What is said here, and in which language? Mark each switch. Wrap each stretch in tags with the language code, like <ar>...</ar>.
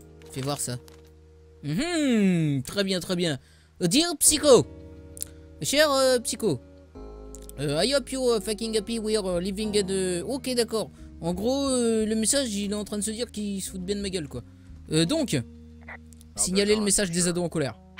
<fr>Fais voir ça. Mmh, très bien, très bien.</fr> <en>Dear Psycho,</en> <fr>Cher psycho,</fr> <en>I hope you are fucking happy we are living at...</en> <fr>Ok, d'accord. En gros, le message, il est en train de se dire qu'il se fout bien de ma gueule, quoi. Donc, signalez le message des ados en colère.</fr>